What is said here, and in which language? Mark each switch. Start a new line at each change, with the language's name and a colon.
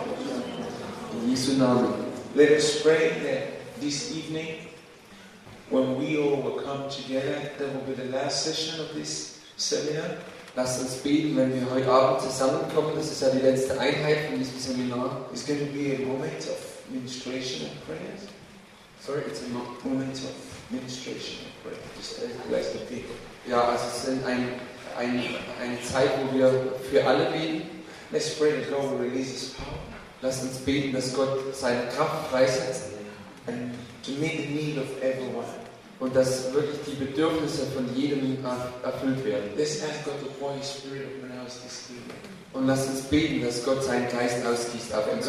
English: Let us pray that this evening, when we all will come together, that will be the last session of this seminar.
German: Lasst uns beten, wenn wir heute Abend zusammenkommen. Das ist ja die letzte Einheit von diesem Seminar.
English: It's going to be a moment of ministration and prayers. Sorry, it's a moment of ministration and prayer. Just bless the people.
German: Ja, also es ist eine Zeit, wo wir für alle beten.
English: Let's pray that God will release His power.
German: Lass uns beten, dass Gott seine Kraft freisetzt.
English: And to meet the need of everyone.
German: Und dass wirklich die Bedürfnisse von jedem erfüllt werden.
English: Let's ask God to pour His Spirit upon us this evening.
German: Und lass uns beten, dass Gott seinen Geist ausgießt auf uns